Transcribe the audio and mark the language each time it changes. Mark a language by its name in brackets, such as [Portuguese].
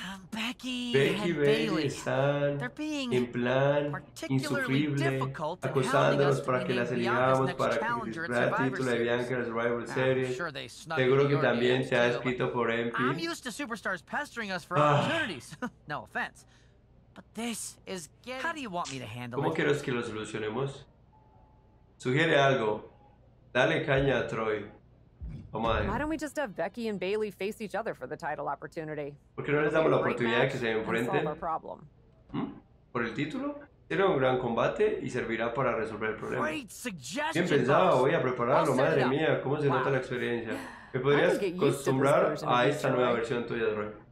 [Spanish] Becky y Bailey están en plan insufrible, acosándonos para que las elijamos para el título de Bianca's Rival Series. Seguro que también se ha escrito por MP. [English] I'm used to superstars pestering us for opportunities. No offense, but this is getting. How do you want me to handle it? [Spanish] ¿Cómo quieres que lo solucionemos? Sugiere algo. Dale caña a Troy. [English] Why don't we just have Becky and Bailey face each other for the title opportunity? [Spanish] ¿Por qué no les damos la oportunidad de que se enfrenten? ¿Por el título? Será un gran combate y servirá para resolver el problema. Bien pensado, voy a prepararlo. Madre mía, ¿cómo se nota la experiencia? ¿Me podrías acostumbrar a esta nueva versión tuya de Roy?